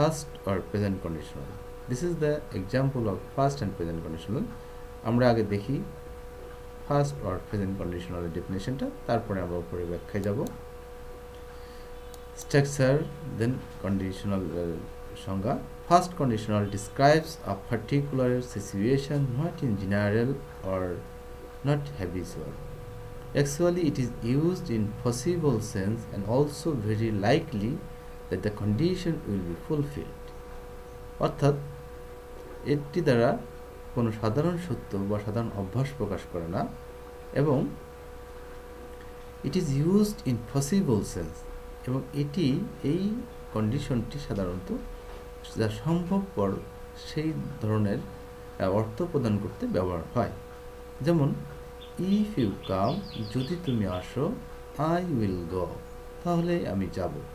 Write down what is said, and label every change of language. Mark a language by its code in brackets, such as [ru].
[en] past or present conditional. This is the example of past and present conditional. [bn] আমরা আগে দেখি past or present conditional definitionটা, তারপরে আমরা উপরে ব্যাখ্যা যাব. [en] Structure then conditional সংজ্ঞা. Past conditional describes a particular situation not in general or not habitual. Actually, it is used in possible sense and also very likely that the condition will be fulfilled. [bn] অর্থাৎ এটি দ্বারা কোনো সাধারণ সত্য বা সাধারণ অভ্যাস প্রকাশ করে না এবং [en] it is used in possible sense [bn] এবং এটি এই কন্ডিশনটি সাধারণত যা সম্ভবপর সেই ধরনের অর্থ প্রদান করতে ব্যবহার হয় যেমন [en] if you come [bn] যদি তুমি আসো [en] I will go [bn] তাহলে আমি যাব